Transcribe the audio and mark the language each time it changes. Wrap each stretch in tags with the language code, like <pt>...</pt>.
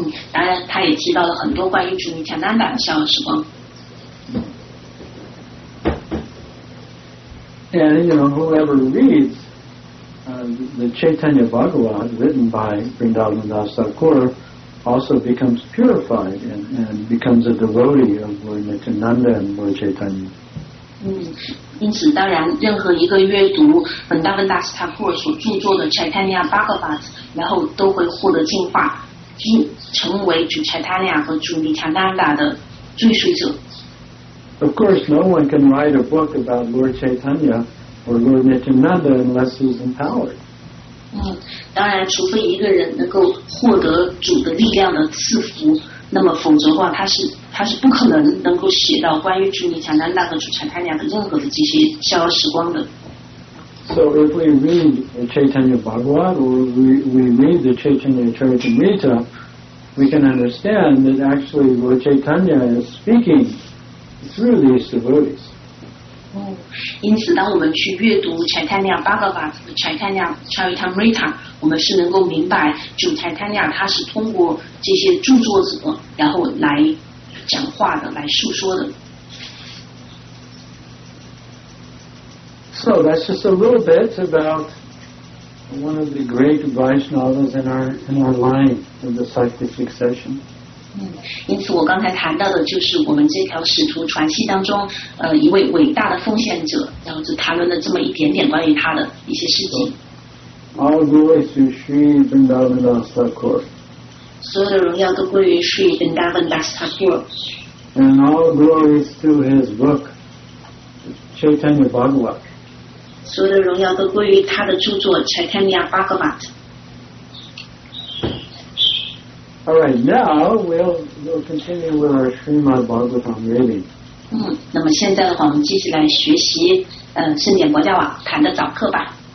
<zh>当然他也提到了很多关于主尼强南达的逍遥时光。</zh> <en>And, you know, whoever reads the Chaitanya Bhagavad written by Vrindavan Das Thakur also becomes purified and becomes a devotee of Lord Nityananda and Lord Chaitanya.</en> <zh>因此当然任何一个阅读本大文大斯塔库尔所著作的 Chaitanya Bhagavat 然后都会获得净化成为主 Chaitanya 和主 Nityananda 的追随者。</zh> <en>Of course no one can write a book about Lord Chaitanya or Lord Nityananda unless he's empowered.</en> <zh>当然除非一个人能够获得主的力量的赐福那么否则的话他是不可能能够写到关于主尼采丹大和主采丹两个任何的这些逍遥时光的。</zh> <en>So if we read Chaitanya Bhagavat or we read the Chaitanya Charitamrita we can understand that actually Lord Chaitanya is speaking through these devotees.</en> <zh>因此当我们去阅读采丹两巴格巴和采丹两 Charitamrita 我们是能够明白主采丹两他是通过这些著作者然后来讲话的来诉说的。</zh> <en>So that's just a little bit about one of the great Vaishnavas in our line of the cyclic succession.</en> <zh>因此我刚才谈到的就是我们这条使徒传系当中一位伟大的奉献者然后就谈论了这么一点点关于他的一些事情。</zh> <en>So, all glory to Sri Vrindavan Das Thakur.</en> <zh>所有的荣耀都归于 Sri Vrindavan Das Thakur.</zh> <en>And all glories to his book, Chaitanya Bhagavat.</en> <zh>所有的荣耀都归于他的著作 Chaitanya Bhagavat.</zh> <en>All right, now we'll continue with our Srimad Bhagavatam reading.</en> <zh>那么现在的话，我们继续来学习圣典薄伽瓦坛的早课吧。</zh>